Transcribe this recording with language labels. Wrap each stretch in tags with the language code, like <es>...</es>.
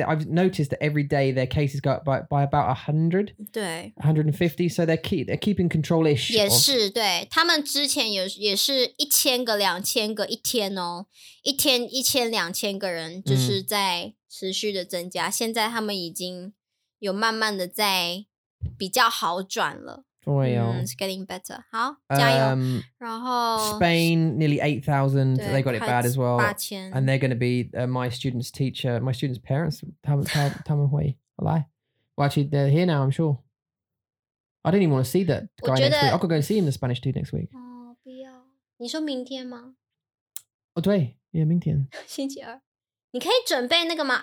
<en>I've noticed that every day their cases go up by about 100. 150, so they're keeping control-ish.</en> <zh>也是,对。他们之前也是一千个、两千个、一天哦。一天一千、两千个人就是在持续的增加。现在他们已经有慢慢的在比较好转了。</zh> <en>It's getting better. Huh?</en> <zh>然后,</zh> <en>Spain, nearly 8,000. They got it bad as well. And they're going to be my student's teacher, my student's parents. Well, actually, they're here now, I'm sure. I don't even want to see that guy next week. I could go see him, the Spanish dude, next week. Oh,</en> <zh>不要。你说明天吗？哦，对，</zh> <en>yeah，</en> <zh>明天。星期二。你可以准备那个吗?</zh>